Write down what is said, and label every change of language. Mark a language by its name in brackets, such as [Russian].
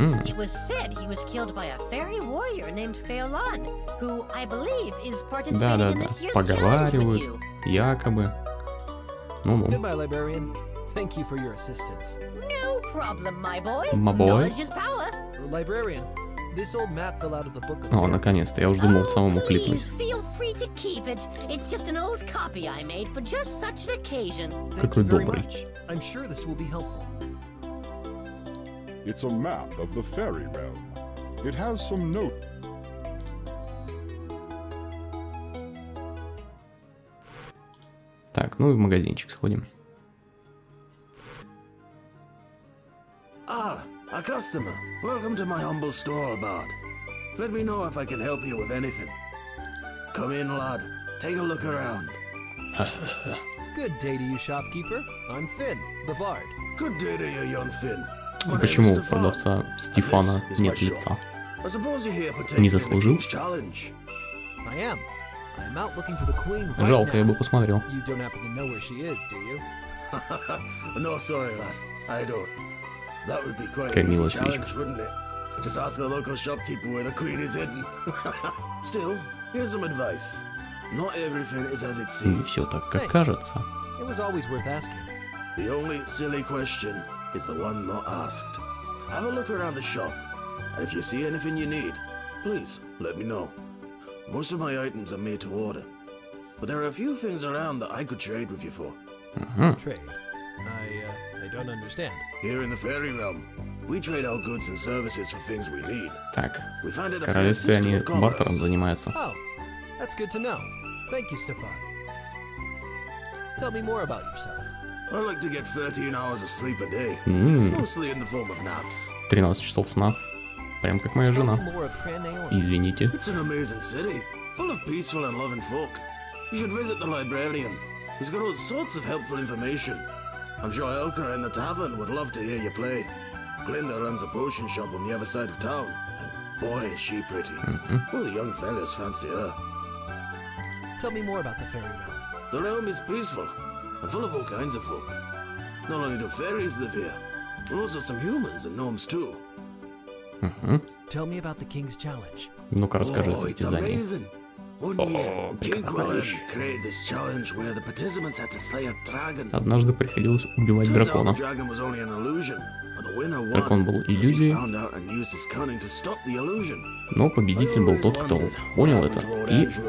[English] It was said he was killed by a fairy warrior named Fairlon, who, I believe, is participating in this year's challenge with you. [Russian] Якобы. Ну-ну. [English] Goodbye, librarian. Thank you for your assistance. No problem, my boy. My boy. Knowledge is power. Librarian. This old map fell out of the book. [Russian] О, наконец-то, я уже думал самому клипнуть. [English] Please feel free to keep it. It's just an old copy I made for just such an occasion. [Russian] Какой добрый. [English] I'm sure this will be helpful. It's a map of the fairy realm. It has some notes. [Russian] Так, ну и в магазинчик сходим. [English] Ah. A customer. Welcome to my humble store, bard. Let me know if I can help you with anything. Come in, lad. Take a look around. Good day to you, shopkeeper. I'm Finn, the bard. Good day to you, young Finn. [Russian] Почему у продавца Стефана нет лица? [English] I suppose you're here partaking in the challenge. I am. I'm out looking for the queen. [Russian] Жалко, я бы посмотрел. [English] You don't happen to know where she is, do you? No, sorry, lad. I don't. That would be quite [Russian] Какая милая свечка. [English] Wouldn't it? Just ask the local shopkeeper where the queen is hidden. Still, here's some advice. Not everything is as it seems. [Russian] Не все так, как кажется. [English] It was always worth asking. The only silly question is the one not asked. Have a look around the shop, and if you see anything you need, please let me know. Most of my items are made to order, but there are a few things around that I could trade with you for. Trade? I don't understand. Here in the fairy realm, We trade our goods and services for things we need. [Russian] Так, в королевстве они бартером занимаются. [English] Oh, that's good to know. Thank you, Stefan. Tell me more about yourself. I like to get 13 hours of sleep a day, mostly in the form of naps. [Russian] 13 часов сна, прям как моя жена. Извините. [English] It's an amazing city, full of peaceful and loving folk. You should visit the librarian. He's got all sorts of helpful information. I'm sure Elka in the tavern would love to hear you play. Glinda runs a potion shop on the other side of town. And boy, is she pretty. Mm-hmm. All the young fellas fancy her. Tell me more about the fairy realm. The realm is peaceful and full of all kinds of folk. Not only do fairies live here, but also some humans and gnomes too. Mm-hmm. Tell me about the king's challenge. [Russian] Ну-ка, расскажи о состязании. [English] Amazing. One year, King created this challenge where the participants had to slay a dragon. [Russian] Однажды приходилось убивать дракона. [English] Dragon was only an illusion, but the winner won. [Russian] Дракон был иллюзией. [English] Found out and used his cunning to stop the illusion. [Russian] Но победитель был тот, кто понял это и